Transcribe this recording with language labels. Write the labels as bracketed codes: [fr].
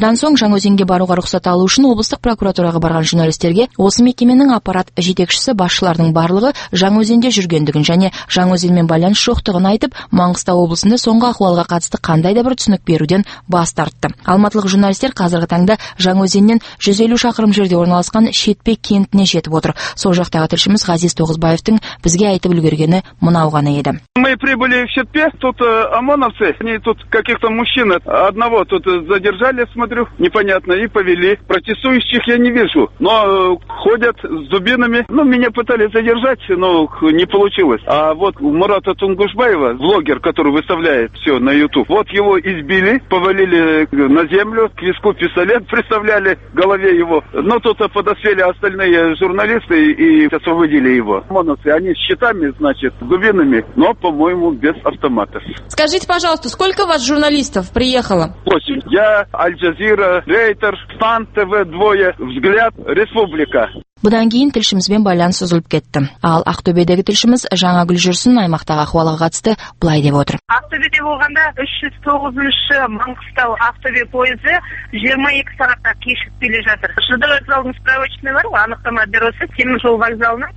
[kk] Бұдан соң Жаңаөзенге баруға рұқсат алу үшін облыстық прокуратураға барған журналистерге осы кеменің аппарат жетекшісі басшылардың барлығы Жаңаөзенде жүргендігін және Жаңаөзенмен байланыс жоқтығын айтып, Маңғыстау облысында соңғы ахуалға қатысты қандай да бір түсінік беруден бас тартты. Алматылық журналистер қазіргі таңда Жаңаөзеннен 150 шақырым жерде орналасқан Шетпек кентіне жетіп отыр. Сол жақтағы тілшіміз Ғазиз Тоғызбаевтың бізге айтып үлгергені мынау ғана еді. [ru] Мы прибыли в Шетпе, тут ОМОНовцы, они тут каких-то мужчин одного тут задержали, смотрю, непонятно, и повели. Протестующих я не вижу, но ходят с дубинами. Ну, меня пытались задержать, но не получилось. А вот Мурата Тунгушбаева, блогер, который выставляет все на YouTube, вот его избили, повалили на землю, к виску пистолет приставляли в голове его. Но тут подоспели остальные журналисты и освободили его. ОМОНовцы, они с щитами, значит, с дубинами, но по-моему, без автоматов. Скажите, пожалуйста, сколько у вас журналистов приехало? 8. Я, Аль-Джазира, Рейтер, Стан ТВ, двое, Взгляд, Республика. [kk] Бұдан кейін тілшімізбен байланыс үзіліп кетті. Ал Ақтөбедегі тілшіміз Жаңа Гүлжүрсін аймақтағы ахуалға қатысты былай деп отыр. Ақтөбеде болғанда 309-ші Маңғыстау Ақтөбе пойызы 22 сағатта кешігіп келе жатыр. Жылдар вокзалының справочный бар, анықтама бюросы, темір жол вокзалынан.